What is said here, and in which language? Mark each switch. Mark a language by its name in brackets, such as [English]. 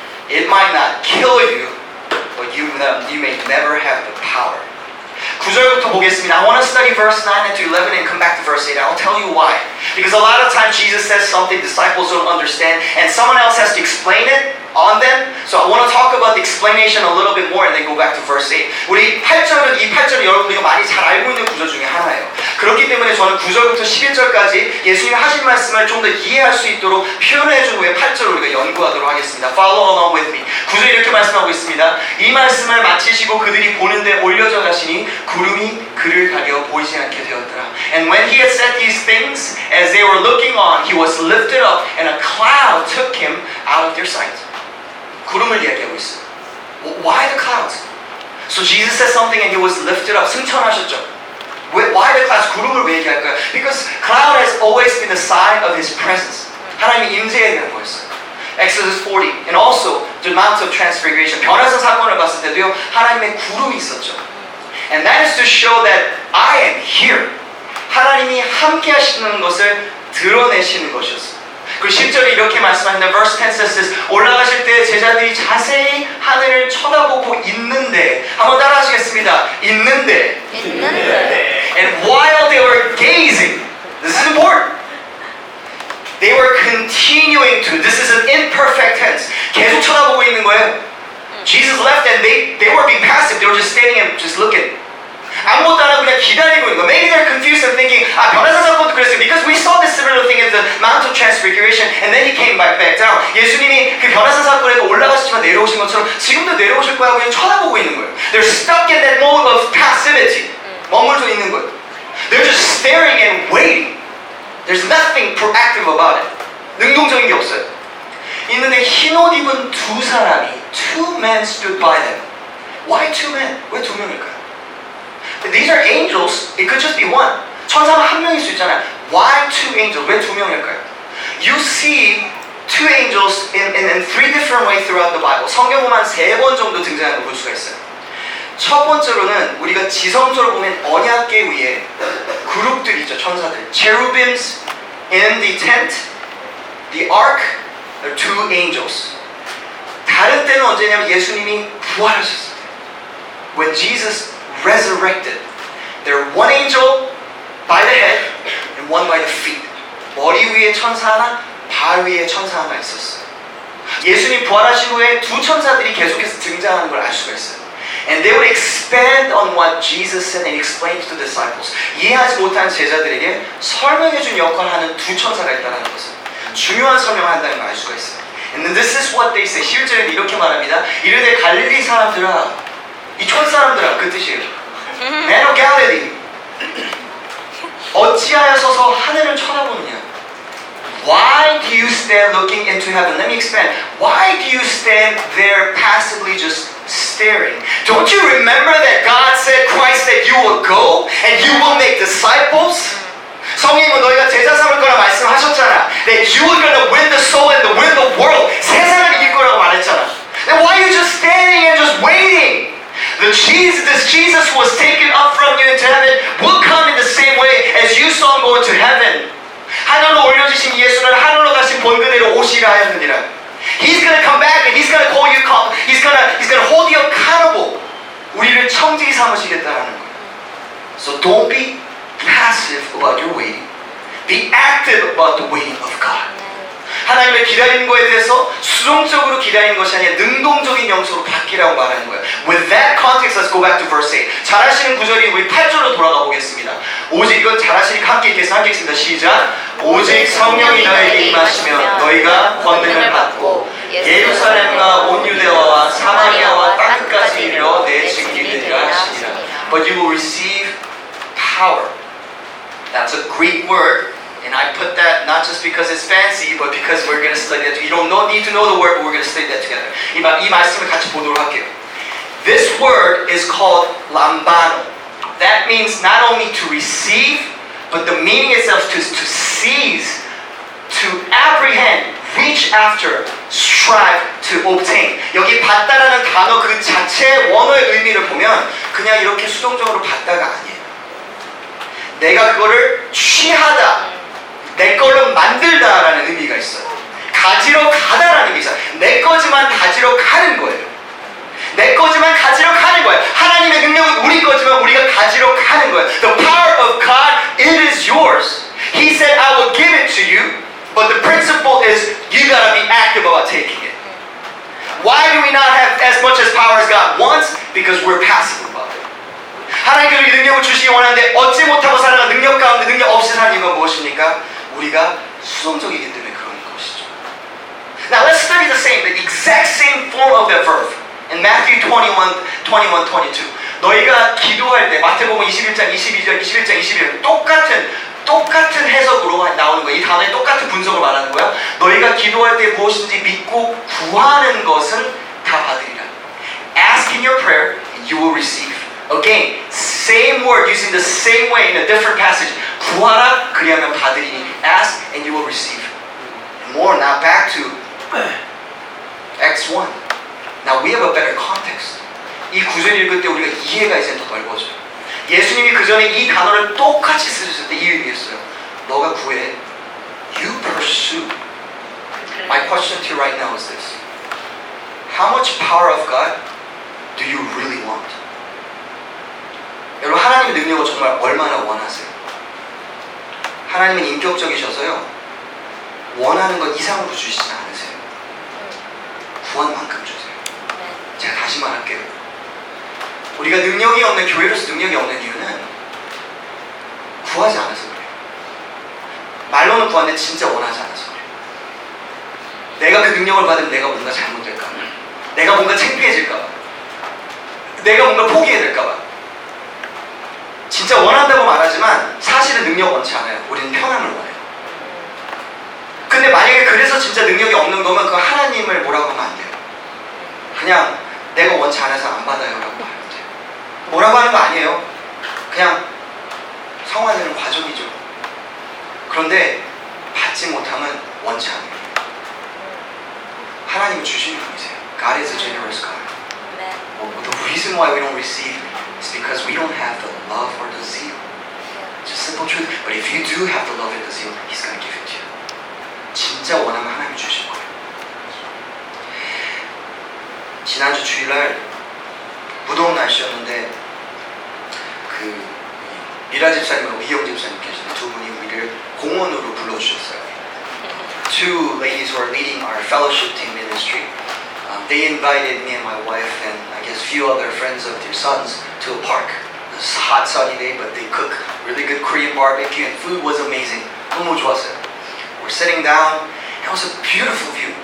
[English] It might not kill you, but you may never have the power. [Korean] 9절부터 보겠습니다. [English] I want to study verse 9 to 11 and come back to verse 8. I'll tell you why. Because a lot of times Jesus says something disciples don't understand and someone else has to explain it on them. So I want to talk about the explanation a little bit more and then go back to verse 8. [Korean] 우리 8절은 이 8절이 여러분들이 많이 잘 알고 있는 구절 중에 하나예요. 그렇기 때문에 저는 9절부터 11절까지 예수님이 하신 말씀을 좀 더 이해할 수 있도록 표현해 준 후에 8절을 우리가 연구하도록 하겠습니다. [English] Follow along with me. [Korean] 9절 이렇게 말씀하고 있습니다. 이 말씀을 마치시고 그들이 보는데 올려져 가시니 구름이 그를 가려 보이지 않게 되었더라. [English] And when he had said these things, as they were looking on, he was lifted up, and a cloud took him out of their sight. [Korean] 구름을 이야기하고 있어요. [English] Why the clouds? So Jesus said something and he was lifted up. [Korean] 승천하셨죠? [English] Why the clouds? [Korean] 구름을 왜 얘기할까요? [English] Because cloud has always been a sign of his presence. [Korean] 하나님의 임재에 대한 거였어요. [English] Exodus 40, and also the Mount of Transfiguration. [Korean] 변화산 사건을 봤을 때도요, 하나님의 구름이 있었죠. [English] And that is to show that I am here. [Korean] 하나님이 함께 하시는 것을 드러내시는 것이었어요. 그리고 10절에 이렇게 말씀하는데 [English] verse 10 says this, [Korean] 올라가실 때 제자들이 자세히 하늘을 쳐다보고 있는데, 한번 따라하시겠습니다. 있는데. 있는데. [English] And while they were gazing, this is important. They were continuing to, this is an imperfect tense. [Korean] 계속 쳐다보고 있는 거예요. [English] Jesus left and they were being passive. They were just standing and just looking. [Korean] 아무것도 안 하고 기다리고 있는 거. [English] Maybe they're confused and thinking, [Korean] 아, 변화사 사건도 그랬어요. [English] Because we saw this similar thing in the Mount of Transfiguration, and then he came back down. [Korean] 예수님이 그 변화사 사건에도 올라가시지만 내려오신 것처럼 지금도 내려오실 거라고 그냥 쳐다보고 있는 거예요. [English] They're stuck in that mode of passivity. [Korean] 머물러 있는 거예요. [English] They're just staring and waiting. There's nothing proactive about it. [Korean] 능동적인 게 없어요. 있는데 흰옷 입은 두 사람이 [English] two men stood by them. Why two men? [Korean] 왜 두 명일까요? [English] These are angels. It could just be one. [Korean] 천사는 한 명일 수 있잖아요. [English] Why two angels? [Korean] 왜 두 명일까요? [English] You see two angels in three different ways throughout the Bible. [Korean] 성경 보면 세 번 정도 등장하는 걸 볼 수가 있어요. 첫 번째로는 우리가 지성서로 보면 언약궤 위에 그룹들 있죠, 천사들. [English] Cherubims in the tent, the ark, the two angels. [Korean] 다른 때는 언제냐면 예수님이 부활하셨을 때. [English] When Jesus resurrected, there are one angel by the head and one by the feet. [Korean] 머리 위에 천사 하나, 발 위에 천사 하나 있었어요. 예수님 부활하신 후에 두 천사들이 계속해서 등장하는 걸 알 수가 있어요. [English] And they would expand on what Jesus said and explain to the disciples. [Korean] 이해하지 못한 제자들에게 설명해 준 역할을 하는 두 천사가 있다는 것을 중요한 설명을 한다는 걸 알 수가 있어요. [English] And then this is what they say. [Korean] 실제로는 이렇게 말합니다. 이르되 갈릴리 사람들아, 이 촌사람들아, 그 뜻이에요. [English] Man of Galilee, [Korean] 어찌하여서 하늘을 쳐다보느냐? [English] Why do you stand looking into heaven? Let me expand. Why do you stand there passively just staring? Don't you remember that God said, Christ said, you will go and you will make disciples? [Korean] 성경은 너희가 제자 삼을 거라 말씀하셨잖아. [English] That you are going to win the soul and win the world. [Korean] 세상을 이길 거라고 말했잖아. [English] Then why are you just standing and just waiting? This Jesus was taken up from you into heaven will come in the same way as you saw him go into heaven. [Korean] 하늘로 올려주신 예수는 하늘로 가신 본그대로 오시라 하였느니라. [English] He's going to come back and he's going to call you come. He's going to hold you accountable. [Korean] 우리를 청지기 삼으시겠다라는 거예요. [English] So don't be passive about your waiting. Be active about the waiting of God. [Korean] 하나님의 기다리는 것에 대해서 수동적으로 기다리는 것이 아니라 능동적인 영성으로 바뀌라고 말하는 거예요. [English] With that context, let's go back to verse 8. [Korean] 잘하시는 구절이 우리 8절로 돌아가 보겠습니다. 오직 이건 잘하시니까 함께 읽겠습니다. 함께 읽습니다. 시작! 오직 성령이 너에게 임하시면 너희가 권능을 받고 예루살렘과 온 유대와 사마리아와 땅끝까지 이르러 내 증인이 되리라 하시니라. [English] But you will receive power. That's a Greek word. And I put that not just because it's fancy, but because we're going to study that. You don't need to know the word, but we're going to study that together. [Korean] 이 말씀을 같이 보도록 할게요. [English] This word is called lambano. That means not only to receive, but the meaning itself is to seize, to apprehend, reach after, strive to obtain. [Korean] 여기 받다라는 단어 그 자체 원어의 의미를 보면 그냥 이렇게 수동적으로 받다가 아니에요. 내가 그거를 취하다. 내 걸로 만들다라는 의미가 있어요. 가지러 가다라는 게 있어요. 내 거지만 가지러 가는 거예요. 내 거지만 가지러 가는 거예요. 하나님의 능력은 우리 거지만 우리가 가지러 가는 거예요. [English] The power of God, it is yours. He said, I will give it to you. But the principle is, you gotta be active about taking it. Why do we not have as much as power as God wants? Because we're passive about it. [Korean] 하나님께서 우리 능력을 주시기 원하는데 얻지 못하고 살아가 능력 가운데 능력 없이 사는 이유가 무엇입니까? 우리가 수동적이기 때문에 그런 것이죠. [English] Now let's study the exact same form of that verb in Matthew 21:21-22. [Korean] 너희가 기도할 때 마태복음 21장 22절 21장 22절 똑같은 해석으로 나오는 거예요. 이 단어의 똑같은 분석을 말하는 거예요. 너희가 기도할 때 무엇인지 믿고 구하는 것은 다 받으리라. [English] Ask in your prayer and you will receive. Again, same word using the same way in a different passage. [Korean] 구하라 그리하면 받으리니. [English] Ask and you will receive. And more now back to X1. Now we have a better context. [Korean] 이 구절 읽을 때 우리가 이해가 이제 더 넓어져. 예수님이 그 전에 이 단어를 똑같이 쓰셨을 때 이 의미였어요. 너가 구해. [English] You pursue. My question to you right now is this. How much power of God do you really want? [Korean] 여러분 하나님의 능력을 정말 얼마나 원하세요? 하나님은 인격적이셔서요. 원하는 것 이상으로 주시지 않으세요. 구한 만큼 주세요. 제가 다시 말할게요. 우리가 능력이 없는 교회로서 능력이 없는 이유는 구하지 않아서 그래요. 말로는 구하는데 진짜 원하지 않아서 그래요. 내가 그 능력을 받으면 내가 뭔가 잘못될까봐, 내가 뭔가 창피해질까봐, 내가 뭔가 포기해야 될까봐. 진짜 원한다고 말하지만 사실은 능력 원치 않아요. 우리는 평안을 원해요. 근데 만약에 그래서 진짜 능력이 없는 거면 그 하나님을 뭐라고 하면 안 돼요. 그냥 내가 원치 않아서 안 받아요 라고 말하면 돼요. 뭐라고 하는 거 아니에요. 그냥 성화되는 과정이죠. 그런데 받지 못하면 원치 않아요. 하나님이 주시는 분이세요. [English] God is a generous God. Well, the reason why we don't receive is because we don't have the love or the zeal. Just simple truth. But if you do have the love and the zeal, He's going to give it to you. [Korean] 진짜 원하면 하나님이 주실 거예요. 지난주 주일날 무더운 날씨였는데 그 미라 집사님과 위영 집사님 계신 두 분이 우리를 공원으로 불러주셨어요. [English] Two ladies who are leading our fellowship team ministry. They invited me and my wife and I guess a few other friends of their sons to a park. It was a hot sunny day, but they cook really good Korean barbecue and food was amazing. [Korean] 너무 좋았어요. [English] We're sitting down and it was a beautiful view.